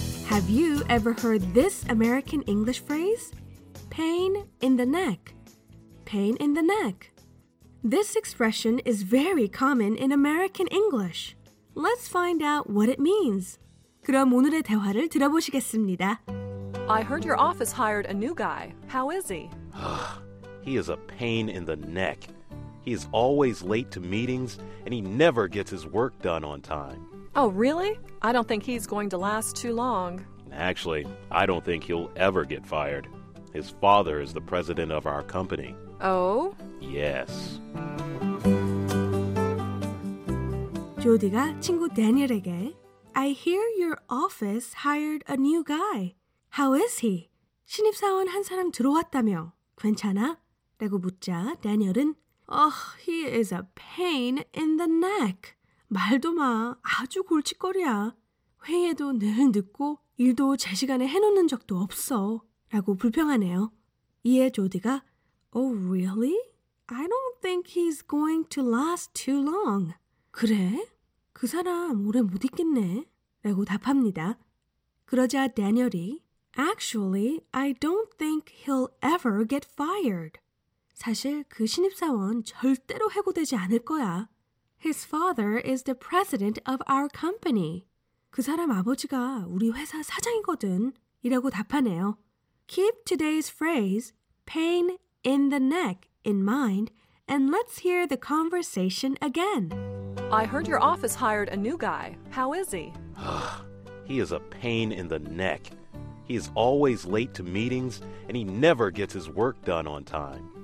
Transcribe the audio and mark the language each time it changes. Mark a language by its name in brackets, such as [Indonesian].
[English] Have you ever heard this American English phrase? pain in the neck. pain in the neck. This expression is very common in American English. Let's find out what it means. [Korean] 그럼 오늘의 대화를 들어보시겠습니다. [English] I heard your office hired a new guy. How is he? He is a pain in the neck. He is always late to meetings, and he never gets his work done on time. Oh, really? I don't think he's going to last too long. Actually, I don't think he'll ever get fired. His father is the president of our company. Oh? Yes. [Korean] 조디가 친구 데니엘에게 [English] I hear your office hired a new guy. How is he? [Korean] 신입사원 한 사람 들어왔다며 괜찮아? 라고 묻자 데니엘은 [English] Oh, he is a pain in the neck. [Korean] 말도 마, 아주 골칫거리야. 회의에도 늘 늦고 일도 제시간에 해놓는 적도 없어. 라고 불평하네요. 이에 조디가 [English] Oh, really? I don't think he's going to last too long. [Korean] 그래? 그 사람 오래 못 있겠네. 라고 답합니다. 그러자 다니엘이 [English] Actually, I don't think he'll ever get fired. [Korean] 사실 그 신입사원 절대로 해고되지 않을 거야. [English] His father is the president of our company. [Korean] 그 사람 아버지가 우리 회사 사장이거든. 이라고 답하네요. [English] Keep today's phrase, pain in the neck, in mind, and let's hear the conversation again. I heard your office hired a new guy. How is he? He is a pain in the neck. He is always late to meetings, and he never gets his work done on time.